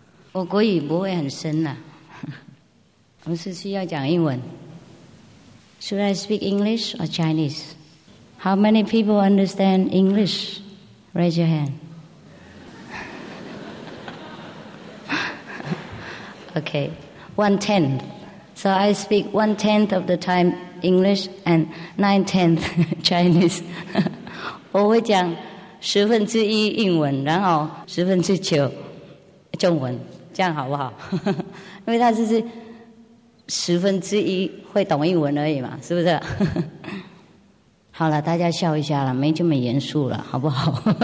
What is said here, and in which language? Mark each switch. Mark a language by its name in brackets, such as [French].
[Chinese] 我国语不会很深的、啊，我是需要讲英文。 [English] Should I speak English or Chinese? How many people understand English? Raise your hand. Okay, 1/10. So I speak 1/10 of the time English and 9/10 Chinese. [Chinese] 我会讲十分之一英文，然后十分之九中文，这样好不好？因为他就是十分之一会懂英文而已嘛，是不是？好了，大家笑一下了，没这么严肃了，好不好？